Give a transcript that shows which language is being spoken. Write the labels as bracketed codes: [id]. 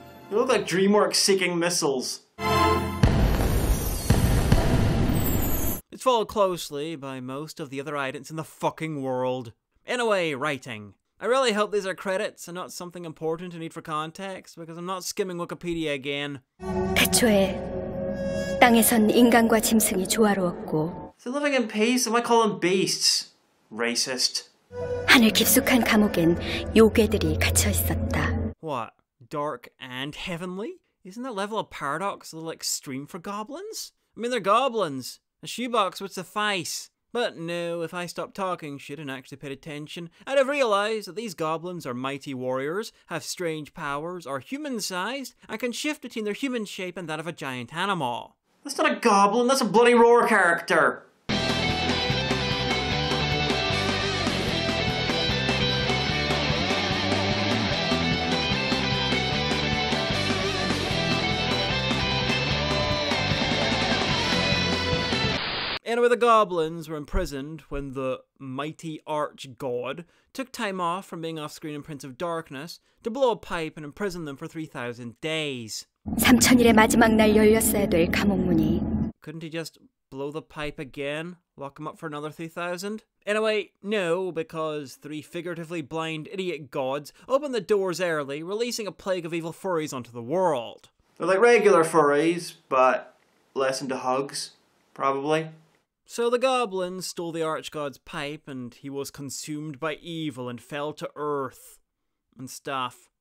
[en] You look like DreamWorks seeking missiles. It's followed closely by most of the other idents in the fucking world. In a way, writing. I really hope these are credits and not something important to need for context, because I'm not skimming Wikipedia again. [ko] 태초에 땅에선 인간과 짐승이 조화로웠고. [en] They're living in peace, and I call them beasts. Racist. [ko] 하늘 깊숙한 감옥엔 요괴들이 갇혀 있었다. [en] What? Dark and heavenly? Isn't that level of paradox a little extreme for goblins? I mean, they're goblins. A shoebox would suffice. But no, if I stopped talking shit and actually paid attention, I'd have realized that these goblins are mighty warriors, have strange powers, are human-sized, and can shift between their human shape and that of a giant animal. That's not a goblin, that's a bloody roar character! Anyway, the goblins were imprisoned when the mighty arch god took time off from being off-screen in Prince of Darkness to blow a pipe and imprison them for 3,000 days. [ko] 3,000일의 마지막 날 열렸어야 될 감옥문이. [en] Couldn't he just blow the pipe again? Lock him up for another 3,000? Anyway, no, because three figuratively blind idiot gods opened the doors early, releasing a plague of evil furries onto the world. They're like regular furries, but less into hugs, probably. So the goblins stole the archgod's pipe, and he was consumed by evil and fell to earth. And stuff.